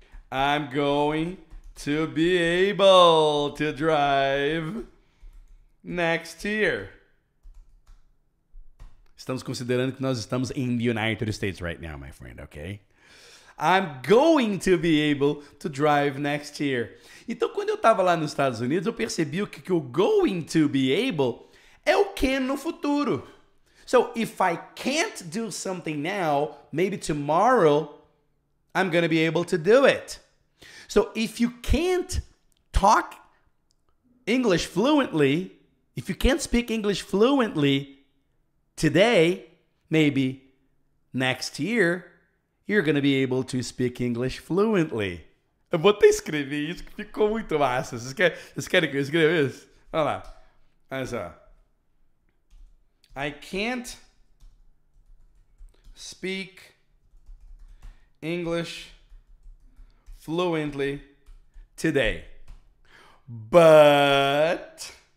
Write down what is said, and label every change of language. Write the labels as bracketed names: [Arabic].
[English] I'm going to be able to drive next year. [Portuguese] Estamos considerando que nós estamos [English] in the United States right now, my friend, okay? I'm going to be able to drive next year. [Portuguese] Então, quando eu estava lá nos Estados Unidos, eu percebi que o going to be able é o can no futuro. [English] So, if I can't do something now, maybe tomorrow, I'm going to be able to do it. So, if you can't talk English fluently, if you can't speak English fluently today, maybe next year, you're going to be able to speak English fluently. [Portuguese] Eu vou até escrever isso, que ficou muito massa. Vocês querem que eu escreva isso? Olha lá. Olha só. [English] I can't speak English fluently today, but